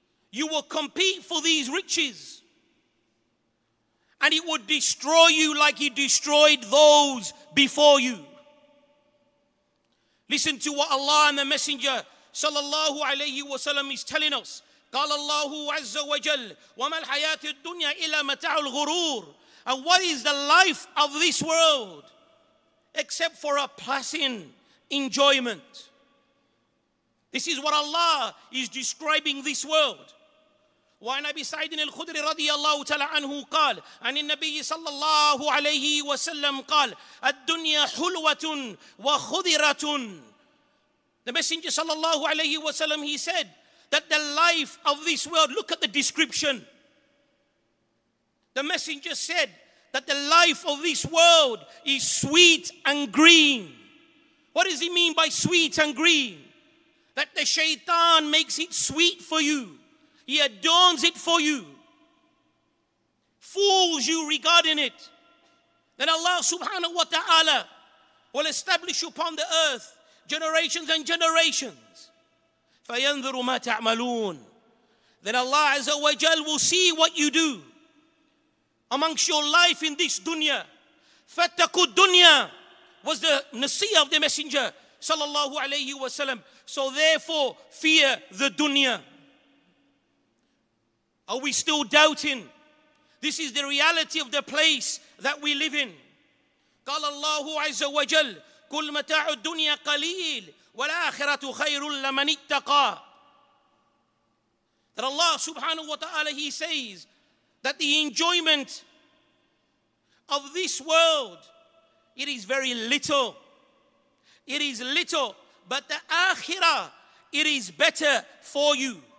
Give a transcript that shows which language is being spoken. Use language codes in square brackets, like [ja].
[en] You will compete for these riches, and it would destroy you like he destroyed those before you. Listen to what Allah and the Messenger sallallahu alayhi wa sallam is telling us. [ar] قال الله عز وجل وما الحياة الدنيا إلا متاع الغرور. [en] And what is the life of this world except for a passing enjoyment? This is what Allah is describing this world. [ar] وعن أبي سعيد الخدري رضي الله تعالى عنه قال عن النبي صلى الله عليه وسلم قال الدنيا حلوة وخضرة. [en] The Messenger [ar] صلى الله عليه وسلم, [en] he said that the life of this world, look at the description. The Messenger said that the life of this world is sweet and green. What does he mean by sweet and green? That the shaitan makes it sweet for you. He adorns it for you, fools you regarding it. Then Allah subhanahu wa ta'ala will establish upon the earth generations and generations. [ar] فَيَنْذُرُ مَا تَعْمَلُونَ. [en] Then Allah azza wa jal will see what you do amongst your life in this dunya. [ar] فَاتَّقُوا الدُّنْيَا [en] was the nasiha of the Messenger sallallahu alayhi wa sallam. So therefore, fear the dunya. Are we still doubting? This is the reality of the place that we live in. [ar] قال الله عز وجل كل متاع الدنيا قليل والآخرة خير لمن اتقى. [en] That Allah subhanahu wa ta'ala, he says that the enjoyment of this world, it is very little. It is little, but the akhirah, it is better for you.